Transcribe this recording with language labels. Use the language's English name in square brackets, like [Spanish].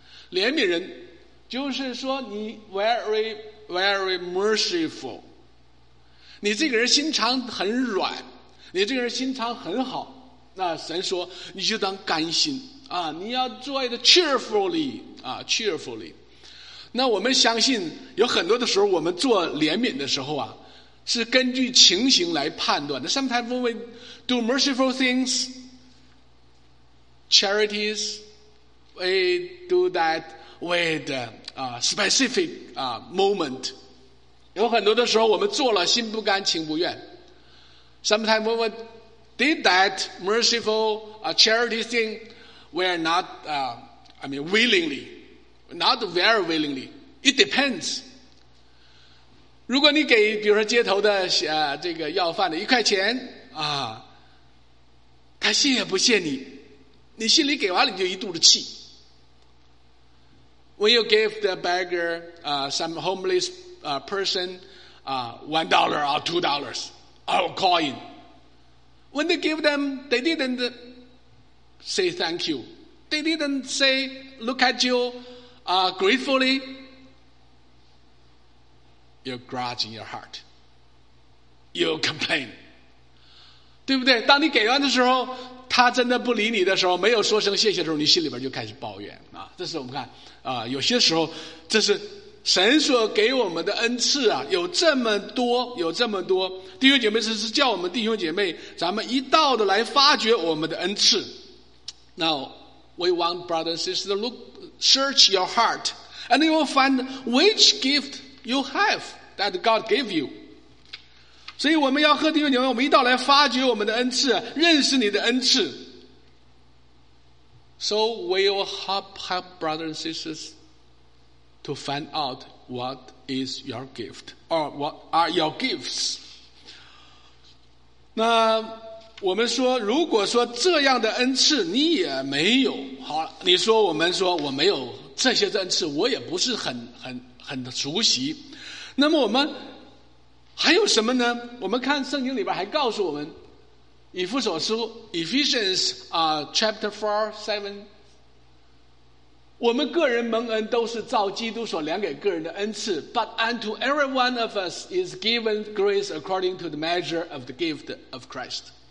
[Chinese] 怜悯人就是说你 [English] very very merciful， [Chinese] 你这个人心肠很软，你这个人心肠很好，那神说你就当甘心啊，你要做的 [English] cheerfully [Chinese] 啊 ，cheerfully。那我们相信，有很多的时候，我们做怜悯的时候啊，是根据情形来判断的。 [English] Sometimes when we do merciful things, charities, we do that with a specific moment. [Chinese] 有很多的时候，我们做了心不甘情不愿。 [English] Sometimes when we did that merciful charity thing, we are not, willingly. Not very willingly. It depends. [Chinese] 如果你给比如说街头的这个要饭的一块钱啊，他谢也不谢你，你心里给完了你就一肚子气。 [English] When you give the beggar some homeless person $1 or $2 or coin, when they give them, they didn't say thank you. They didn't say look at you. Gratefully, you grudge in your heart. You complain. [Chinese] 对不对？当你给完的时候，他真的不理你的时候，没有说声谢谢的时候，你心里边就开始抱怨啊。这是我们看啊，有些时候，这是神所给我们的恩赐啊，有这么多，有这么多弟兄姐妹，这是叫我们弟兄姐妹，咱们一道的来发掘我们的恩赐。 [English] Now we want brothers and sisters to look. Search your heart, and you will find which gift you have that God gave you. [Chinese] 所以我们要和弟兄姐妹，我们一道来发掘我们的恩赐，认识你的恩赐。 [English] So we will help brothers and sisters to find out what is your gift or what are your gifts. [Chinese] 那我们说，如果说这样的恩赐你也没有，好，你说我们说我没有这些恩赐，我也不是很熟悉。那么我们还有什么呢？我们看圣经里边还告诉我们，以弗所书 Ephesians chapter 4:7， 我们个人蒙恩都是照基督所量给个人的恩赐 ， [English] But unto every one of us is given grace according to the measure of the gift of Christ.